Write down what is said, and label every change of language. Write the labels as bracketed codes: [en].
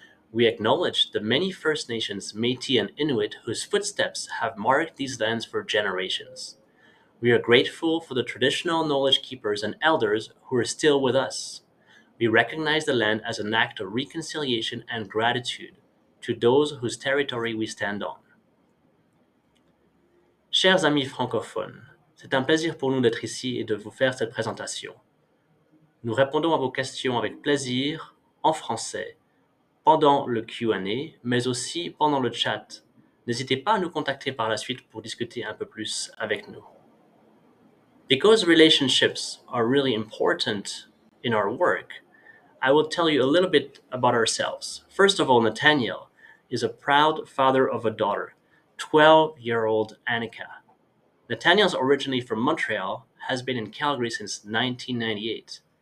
[en] We acknowledge the many First Nations, Métis, and Inuit whose footsteps have marked these lands for generations. We are grateful for the traditional knowledge keepers and elders who are still with us. We recognize the land as an act of reconciliation and gratitude to those whose territory we stand on. [fr] Chers amis francophones, c'est un plaisir pour nous d'être ici et de vous faire cette présentation. Nous répondons à vos questions avec plaisir en français pendant le Q&A, mais aussi pendant le chat. N'hésitez pas à nous contacter par la suite pour discuter un peu plus avec nous. [en] Because relationships are really important in our work, I will tell you a little bit about ourselves. First of all, Nathaniel is a proud father of a daughter, 12-year-old Annika. Nathaniel's originally from Montreal, has been in Calgary since 1998.